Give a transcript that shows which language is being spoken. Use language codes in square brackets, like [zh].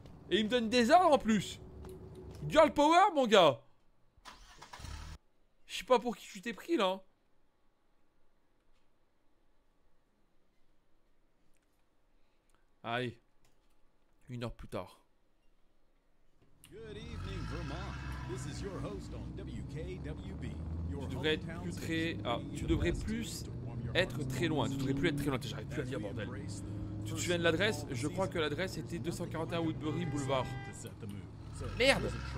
[fr] Et il me donne des ordres en plus. [en] Girl power, [fr] mon gars. Je sais pas pour qui tu t'es pris là. Allez. Une heure plus tard. [en] Good evening, Vermont. This is your host on WKWB. [fr] Your tu devrais plus être très loin. J'arrive plus à dire, bordel. Tu te souviens de l'adresse? Je crois que l'adresse était 241 Woodbury Boulevard. Merde!